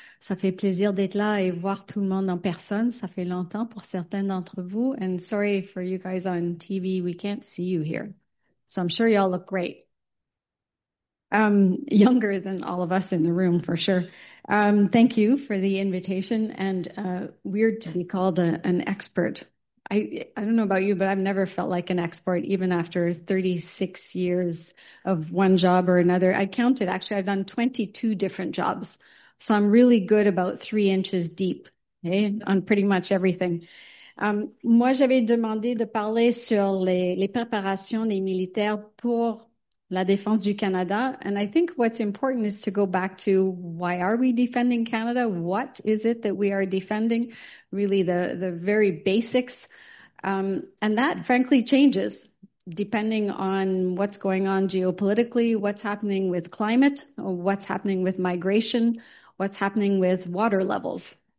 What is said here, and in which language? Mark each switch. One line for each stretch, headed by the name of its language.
French: Ça fait plaisir d'être là et voir tout le monde en personne. Ça fait longtemps pour certains d'entre vous.
English: And sorry for you guys on TV, we can't see you here. So I'm sure y'all look great. Younger than all of us in the room, for sure. Thank you for the invitation, and weird to be called an expert. I don't know about you, but I've never felt like an expert, even after 36 years of one job or another. I counted, actually, I've done 22 different jobs, so I'm really good about 3 inches deep, okay, on pretty much everything.
French: Moi, j'avais demandé de parler sur les préparations des militaires pour la défense du Canada.
English: And I think what's important is to go back to why are we defending Canada? What is it that we are defending? Really the very basics. And that frankly changes depending on what's going on geopolitically, what's happening with climate, what's happening with migration, what's happening with water levels.